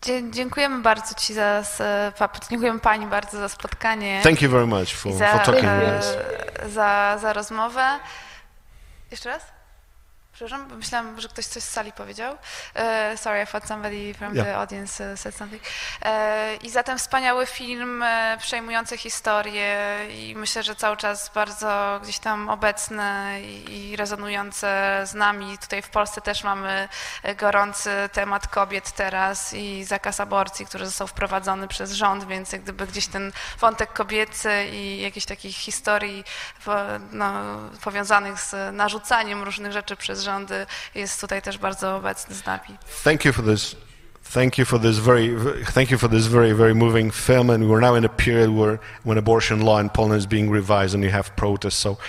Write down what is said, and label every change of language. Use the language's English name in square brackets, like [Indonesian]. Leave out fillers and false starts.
[Polish] Dziękujemy bardzo Ci za dziękujemy Pani bardzo za spotkanie. [English] Thank you very much for talking with us. [Polish] Za rozmowę. Jeszcze raz? Przepraszam, myślałam, że ktoś coś z sali powiedział. [English] Sorry, I thought somebody from the audience said something. [Polish] I zatem wspaniały film, przejmujący historię i myślę, że cały czas bardzo gdzieś tam obecny i rezonujący z nami. Tutaj w Polsce też mamy gorący temat kobiet teraz i zakaz aborcji, który został wprowadzony przez rząd, więc jak gdyby gdzieś ten wątek kobiecy i jakichś takich historii no, powiązanych z narzucaniem różnych rzeczy przez rządy jest tutaj też bardzo obecny z nami. [English] Thank you for this. Thank you for this very, very moving film. And we're now in a period where when abortion law in Poland is being revised and you have protests.